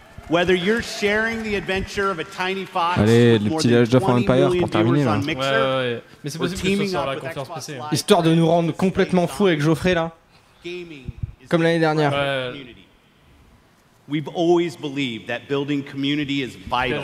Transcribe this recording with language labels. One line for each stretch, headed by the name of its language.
English: Whether you're sharing the adventure of a tiny fox.
French: Allez, le petit village of Empire pour terminer là. Ouais. Mais c'est possible que ce soit la conférence PC. Histoire de nous rendre complètement fous avec Geoffrey là. Comme l'année dernière. Ouais.
English: We've always believed that building community is vital.